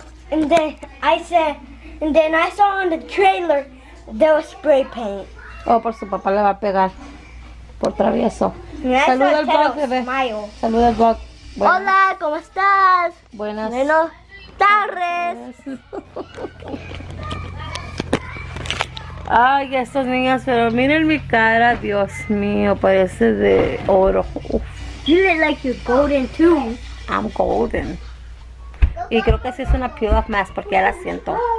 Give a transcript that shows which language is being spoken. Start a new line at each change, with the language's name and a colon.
English: And then I said, and then I saw on the trailer, there was spray paint.
Spanish: Oh, por su papá le va a pegar, por travieso. Saluda al vlog, bebé. Saluda al vlog. Bueno. Hola, ¿cómo estás? Buenas. Buenas tardes. Ay, estos niños, pero miren mi cara, Dios mío, parece de oro. Uf.
English: You look like you're golden too. I'm golden.
Spanish: Y creo que sí es una peel off mask porque ya la siento.